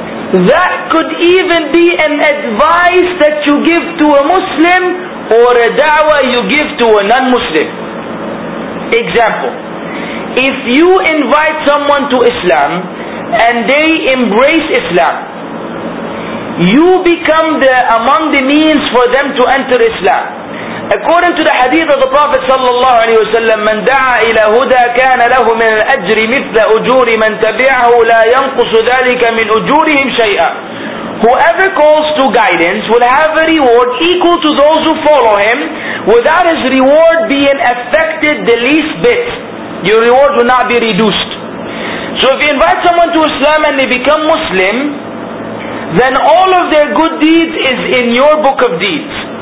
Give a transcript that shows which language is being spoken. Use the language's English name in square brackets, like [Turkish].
[English] That could even be an advice that you give to a Muslim, or a da'wah you give to a non-Muslim. Example: if you invite someone to Islam and they embrace Islam, you become among the means for them to enter Islam. According to the hadith of the Prophet sallallahu alaihi wasallam, [Arabic] "من دعا إلى هدى كان له من الأجر مثل أجور من تبعه لا ينقص ذلك من أجورهم شيئا." [English] Whoever calls to guidance will have a reward equal to those who follow him, without his reward being affected the least bit. Your reward will not be reduced. So if you invite someone to Islam and they become Muslim, then all of their good deeds is in your book of deeds.